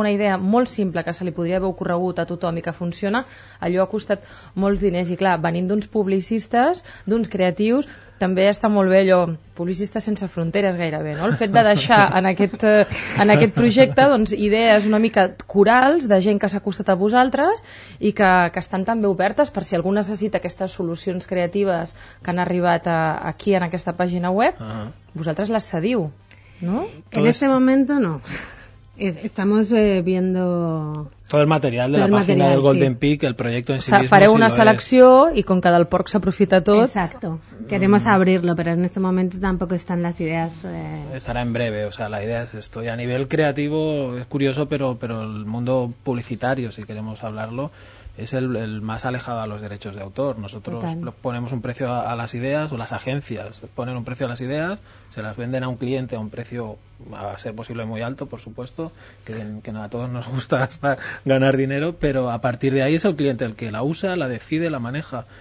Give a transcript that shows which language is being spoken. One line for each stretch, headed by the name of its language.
Catalan: Una idea molt simple que se li podria haver ocorregut a tothom i que funciona, allò ha costat molts diners. I clar, venint d'uns publicistes, d'uns creatius, també està molt bé allò, publicistes sense fronteres gairebé, no? El fet de deixar en aquest projecte doncs, idees una mica corals de gent que s'ha acostat a vosaltres i que estan també obertes per si algú necessita aquestes solucions creatives que han arribat aquí en aquesta pàgina web, vosaltres les cediu, no?
Spanish: En este momento no. Estamos viendo todo el material de la página del Golden Peak, el proyecto en sí mismo.
Catalan: Faré una selecció i com que del porc s'aprofita tot.
Spanish: Exacto. Queremos abrirlo, pero en este momento tampoco están las ideas. Estará en breve, o sea, la idea es esto. Y a nivel creativo es curioso, pero el mundo publicitario, si queremos hablarlo, es el más alejado a los derechos de autor. Nosotros ponemos un precio a las ideas, o las agencias ponen un precio a las ideas, se las venden a un cliente a un precio, a ser posible, muy alto, por supuesto, que a todos nos gusta hasta ganar dinero, pero a partir de ahí es el cliente el que la usa, la decide, la maneja.